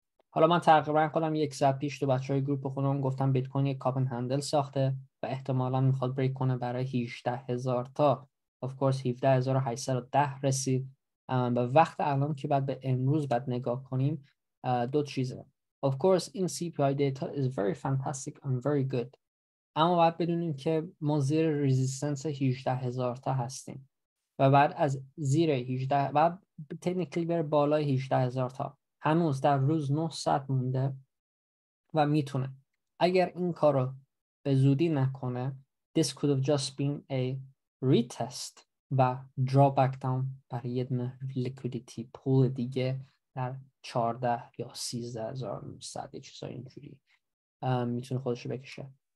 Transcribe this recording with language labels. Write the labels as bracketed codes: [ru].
[fa] حالا من تقریبا خودم یک ساعت پیش تو بچهای گروپ خودم گفتم بیتکوین یک کاپن هندل ساخته و احتمالاً میخواد بریک کنه برای 18000 تا. اوف کورس 17810 رسید. به وقت الان که بعد به امروز بعد نگاه کنیم دو چیزه. [en] Of course in CPI data is very fantastic and very good. [fa] اما باید بدونیم که ما زیر ریزیستنس 18000 تا هستیم و بعد از زیر 18 و تکنیکلی بره بالای 18000 تا. هنوز در روز 9 ساعت مونده و میتونه. اگر این کارو به زودی نکنه [en] this could have just been a retest [fa] و [en] drawback down [fa] برای یه دونه liquidity pool دیگه در 14 یا 13000 ساعت چیزای اینجوری میتونه خودشو بکشه.